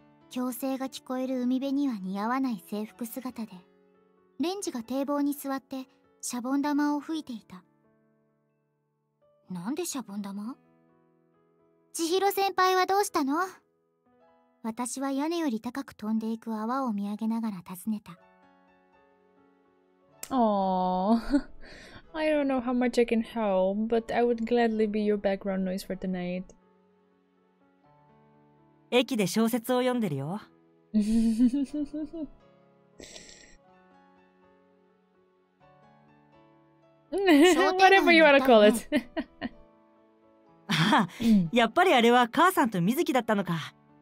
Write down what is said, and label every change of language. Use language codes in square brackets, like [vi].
[ja] 矯正が聞こえる海辺には似合わない制服姿で、レンジが堤防に座ってシャボン玉を吹いていた。なんでシャボン玉？千尋先輩はどうしたの？私は屋根より高く飛んでいく泡を見上げながら尋ねた。 [en] Aww, I don't know how much I can help, but I would gladly be your background noise for tonight. [ja] 駅で小説を読んでるよ。 [en] Whatever you want to call it. [ja] やっぱりあれは母さんと水木だったのか。